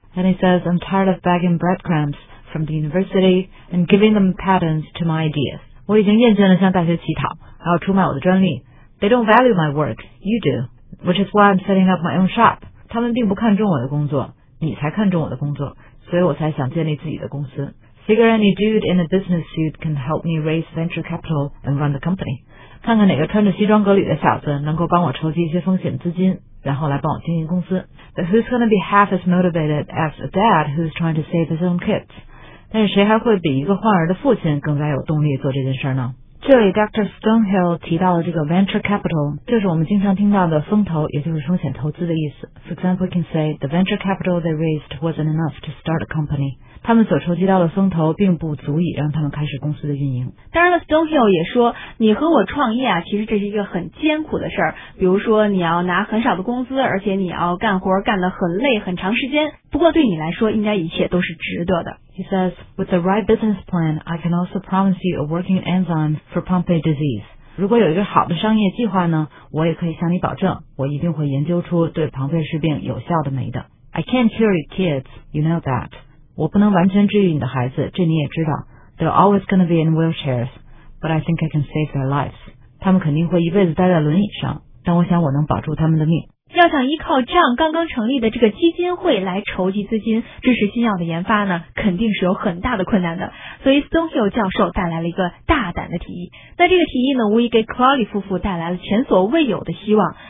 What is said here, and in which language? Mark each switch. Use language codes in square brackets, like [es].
[en] And he says I'm tired of begging breadcrumbs from the university and giving them patents to my ideas. [zh] 我已经厌倦了向大学乞讨还要出卖我的专利。 [en] They don't value my work, you doWhich is why I'm setting up my own shop. [zh] 他们并不看重我的工作，你才看重我的工作，所以我才想建立自己的公司。 [en] Figure any dude in a business suit can help me raise venture capital and run the company. [zh] 看看哪个穿着西装革履的小子能够帮我筹集一些风险资金，然后来帮我经营公司。 [en] But who's going to be half as motivated as a dad who's trying to save his own kids? [zh] 但是谁还会比一个患儿的父亲更加有动力做这件事呢？这里 Dr. Stonehill 提到了这个 venture capital， 就是我们经常听到的风投，也就是风险投资的意思。 [en] For example, we can say the venture capital they raised wasn't enough to start a company. [zh] 他们所筹集到的风投并不足以让他们开始公司的运营。当然了 ，Stonehill 也说，你和我创业啊，其实这是一个很艰苦的事儿。比如说，你要拿很少的工资，而且你要干活干得很累很长时间。不过对你来说，应该一切都是值得的。 [en] He says, with the right business plan, I can also promise you a working enzyme for Pompe disease. [zh] 如果有一个好的商业计划呢，我也可以向你保证，我一定会研究出对庞贝氏病有效的酶的。 [en] I can't cure your kids, you know that. [zh] 我不能完全治愈你的孩子，这你也知道。 [en] They're always going to be in wheelchairs, but I think I can save their lives. [zh] 他们肯定会一辈子待在轮椅上，但我想我能保住他们的命。要想依靠这样刚刚成立的这个基金会来筹集资金支持新药的研发呢，肯定是有很大的困难的。所以 Stonehill 教授带来了一个大胆的提议。那这个提议呢，无疑给 Crowley 夫妇带来了前所未有的希望。